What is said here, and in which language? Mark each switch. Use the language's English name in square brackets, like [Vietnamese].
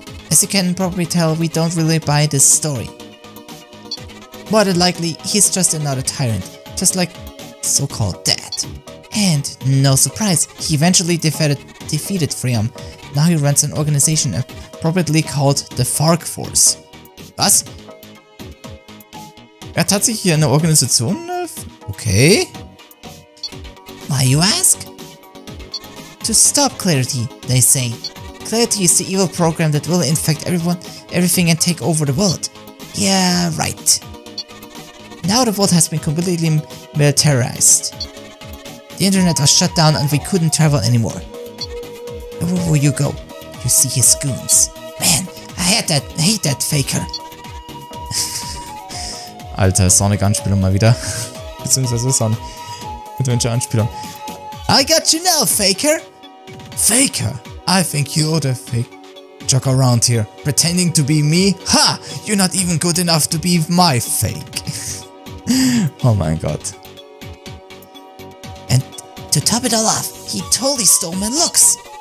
[English] As you can probably tell, we don't really buy this story. More than likely, he's just another tyrant. Just like so-called dad. And no surprise, he eventually defeated Freon. Now he runs an organization appropriately called the Fark Force. [German] Was? Er hat sich hier eine Organisation? Okay. [English] Why you ask? To stop Clarity, they say. Clarity is the evil program that will infect everything and take over the world. Yeah, right. Now the world has been completely militarized. The internet was shut down and we couldn't travel anymore. Where will you go? You see his goons. Man, I hate that faker. [German] Alter, Sonic-Anspielung mal wieder. Beziehungsweise Sonic-Adventure-Anspielung. [English] I got you now, faker! Faker? I think you're the fake joke around here. Pretending to be me? Ha! You're not even good enough to be my fake. [German] Oh mein Gott. [English] And to top it all off, he totally stole my looks.